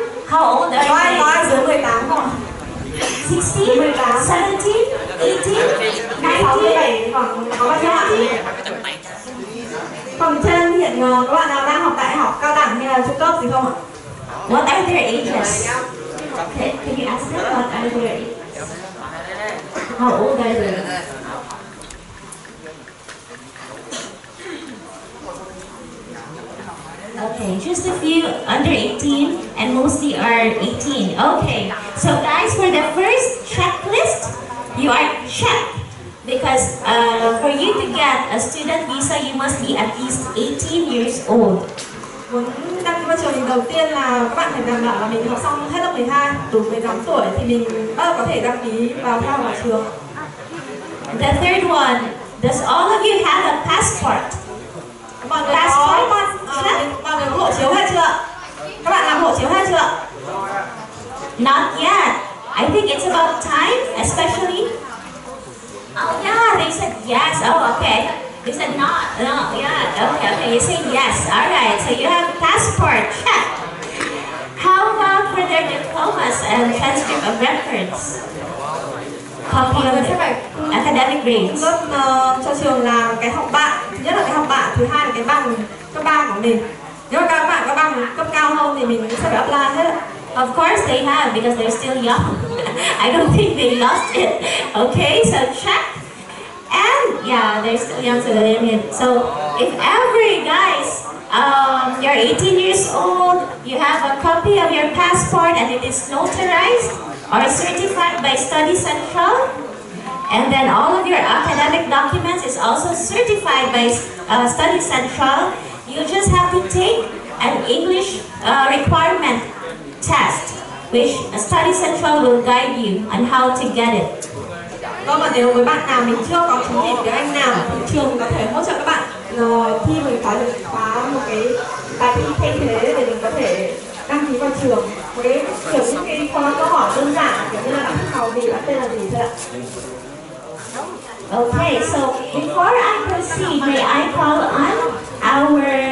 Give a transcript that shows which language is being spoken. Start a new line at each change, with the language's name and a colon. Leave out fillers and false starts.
English: How old are you?
Vietnamese: Có ai dưới 18 không ạ? 16, 18, 17, 18, 19, có bao nhiêu ạ? Còn trên hiện các bạn nào đang học đại học, cao đẳng hay là trung cấp gì không ạ?
English: What are their ages? Can you ask them what are their ages? How old are they? Okay, just a few under 18 and mostly are 18. Okay, so guys, for the first checklist, you are checked because for you to get a student visa, you must be at least 18 years old.
Vietnamese: Muốn đăng ký vào trường mình đầu tiên là các bạn phải đảm bảo là mình học xong hết lớp 12, đủ 18 tuổi thì mình bắt đầu có thể đăng ký vào theo học trường.
English: The third one, does all of you have a passport?
Vietnamese: Mọi người passport. Có mọi người có hộ chiếu hay chưa? Các bạn làm hộ chiếu hay chưa?
English: Not yet. I think it's about time, especially. Oh yeah, they said yes. Oh, okay. They said not. No, yeah. Okay. You say yes. All right. So you have a passport. Check. How about for their diplomas and transcript of reference? Copy of the academic grades.
Vietnamese: Lớp cho trường là cái học bạ, nhất là cái học bạ, thứ hai là cái bằng cấp 3 của mình. Nếu mà các bạn có bằng cấp cao hơn thì mình sẽ phải apply hết.
English: Of course they have because they're still young. I don't think they lost it. Okay, so check. And yeah, they're still young, so they're in. So if every guys, you're 18 years old, you have a copy of your passport and it is notarized or certified by Study Central, and then all of your academic documents is also certified by Study Central, you just have to take an English requirement test, which Study Central will guide you on how to get it.
Vietnamese: Vâng, và nếu với bạn nào mình chưa có chứng chỉ tiếng Anh nào, thì trường có thể hỗ trợ các bạn thi mình khóa được khóa một cái bài thi thay thế để mình có thể đăng ký vào trường. Với kiểu những cái khóa câu hỏi đơn giản, kiểu như là bạn thích học gì, bạn tên là gì thôi ạ.
English: Okay, so before I proceed, may I call on our